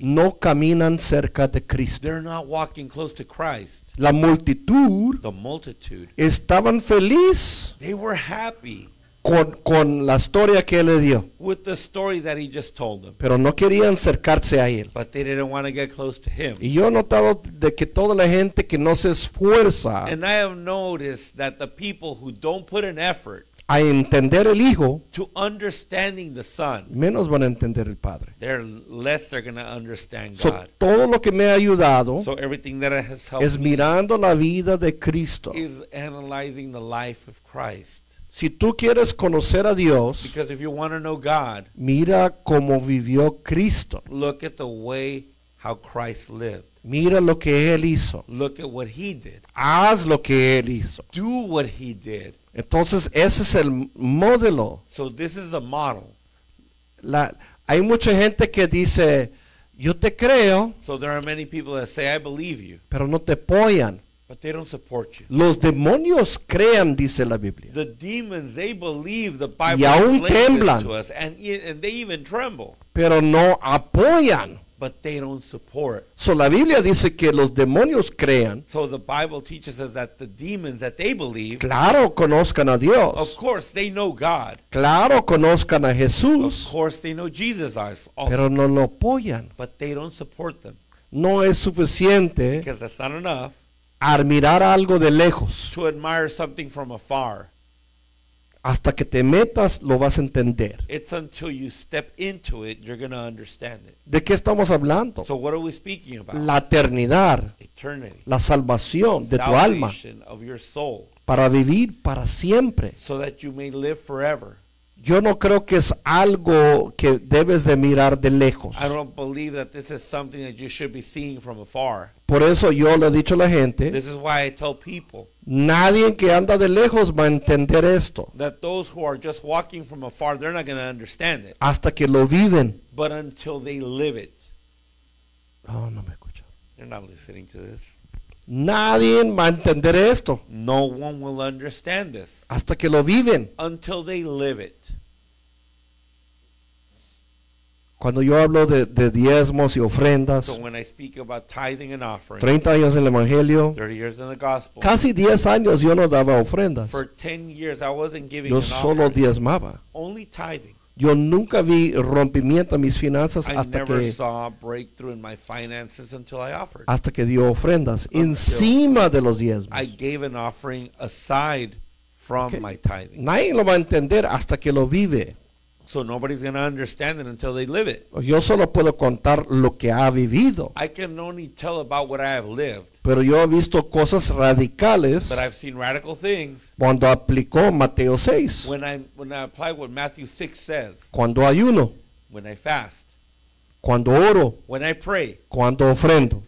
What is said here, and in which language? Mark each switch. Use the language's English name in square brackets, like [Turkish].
[Spanish] no caminan cerca de Cristo. [English] They're not walking close to Christ. [Spanish] La multitud, [English] the multitude, [Spanish] estaban feliz, [English] they were happy, [Spanish] con la historia que él le dio, [English] with the story that he just told them. [Spanish] Pero no querían acercarse a él. [English] But they didn't want to get close to him. [Spanish] Y yo he notado de que toda la gente que no se esfuerza, [English] and I have noticed that the people who don't put an effort [Spanish] a entender el Hijo, [English] to understanding the Son, [Spanish] menos van a entender el Padre. [English] They're less they're going to understand God. [Spanish] So, todo lo que me ha ayudado, [English] so everything that has helped, [Spanish] es mirando la vida de Cristo, [English] is analyzing the life of Christ. [Spanish] Si tú quieres conocer a Dios, [English] because if you want to know God, [Spanish] mira cómo vivió Cristo. [English] Look at the way how Christ lived. [Spanish] Mira lo que él hizo. [English] Look at what he did. [Spanish] Haz lo que él hizo. [English] Do what he did. [Spanish] Entonces, ese es el modelo. [English] So, this is the model. [Spanish] Hay mucha gente que dice, yo te creo. [English] So, there are many people that say, I believe you. [Spanish] Pero no te apoyan. [English] But they don't support you. [Spanish] Los demonios crean, dice la Biblia. [English] The demons, they believe the Bible. [Spanish] Y aún temblan. [English] To us, and they even tremble. [Spanish] Pero no apoyan. [English] But they don't support. [Spanish] So la Biblia dice que los demonios crean. [English] So the Bible teaches us that the demons that they believe. [Spanish] Claro, conozcan a Dios. [English] Of course, they know God. [Spanish] Claro, conozcan a Jesús. [English] Of course, they know Jesus also. [Spanish] Pero no lo apoyan. [English] But they don't support them. [Spanish] No es suficiente. [English] Because that's not enough. [Spanish] Admirar algo de lejos. [English] To admire something from afar. [Spanish] Hasta que te metas, lo vas a entender. [English] It's until you step into it, you're going to understand it. [Spanish] ¿De qué estamos hablando? [English] So what are we speaking about? [Spanish] La eternidad. [English] Eternity. [Spanish] La salvación de tu alma. [English] Salvation of your soul. [Spanish] Para vivir para siempre. [English] So that you may live forever. [Spanish] Yo no creo que es algo que debes de mirar de lejos. [English] I don't believe that this is something that you should be seeing from afar. [Spanish] Por eso yo le he dicho a la gente. [English] This is why I tell people. [Spanish] Nadie que anda de lejos va a entender esto. [English] That those who are just walking from afar, they're not going to understand it. [Spanish] Hasta que lo viven. [English] But until they live it. [Spanish] Oh, no me escucha. [English] They're not listening to this. [Spanish] Nadie va a entender esto. [English] No one will understand this. [Spanish] Hasta que lo viven. [English] Until they live it. [Spanish] Cuando yo hablo de diezmos y ofrendas, [English] so when I speak about tithing and offering, [Spanish] 30 años en el evangelio, [English] 30 years in the gospel, [Spanish] casi 10 años yo no daba ofrendas. [English] For 10 years I wasn't giving [Spanish] yo solo [English] offering. [Spanish] Diezmaba. [English] Only tithing. [Spanish] Yo nunca vi rompimiento en mis finanzas hasta que dio ofrendas [English] until [Spanish] encima de los diezmos. [English] I gave an offering aside from okay. My tithing. [Spanish] Nadie lo va a entender hasta que lo vive. [English] So nobody's going to understand it until they live it. [Spanish] Yo solo puedo contar lo que ha vivido. [English] I can only tell about what I have lived. [Spanish] Pero yo he visto cosas radicales. [English] But I've seen radical things. [Spanish] Cuando aplicó Mateo 6. [English] When I apply what Matthew 6 says. [Spanish] Cuando ayuno. [English] When I fast. [Spanish] Cuando oro. [English] When I pray. [Spanish] Cuando ofrendo.